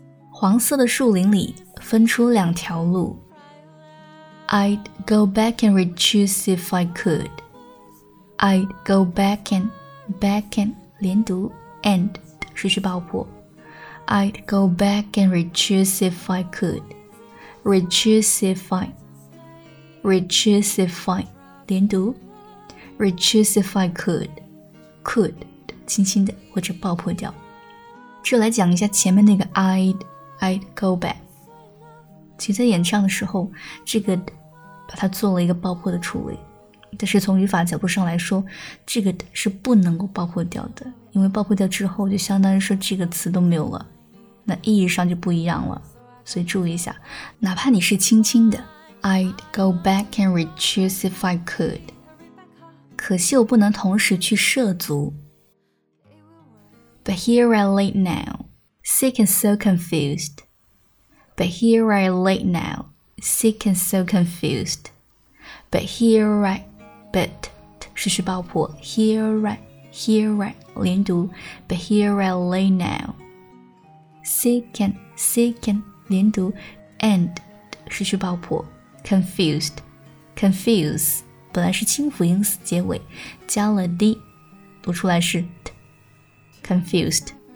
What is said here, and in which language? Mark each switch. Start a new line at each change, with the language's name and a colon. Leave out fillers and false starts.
Chinese: 黄色的树林里分出两条路。
English: I'd go back and re-choose if I could. I'd go back and, 连读 and,
Chinese: 是去爆破。
English: I'd go back and re-choose if I could. Re-choose if I. Re-choose if I. 连读。 Re-choose if I could. Could.
Chinese: 轻轻的或者爆破掉。就来讲一下前面那个
English: I'd go back.
Chinese: 其实在演唱的时候这个把它做了一个爆破的处理。但是从语法角度上来说这个是不能够爆破掉的。因为爆破掉之后就相当于说这个词都没有了。那意义上就不一样了，所以注意一下，哪怕你是轻轻的
English: I'd go back and re-choose if I could.
Chinese: 可惜我不能同时去涉足。
English: But here I lay now, sick and so confused. But here I lay now, sick and so confused. But here I, but,
Chinese: 试试爆破
English: here I, 连读 But here I lay nowSick and, 连读 and, 失去爆破 confused,
Chinese: 本来是清辅音词结尾加了
English: d,
Chinese: 读出来是
English: t, confused.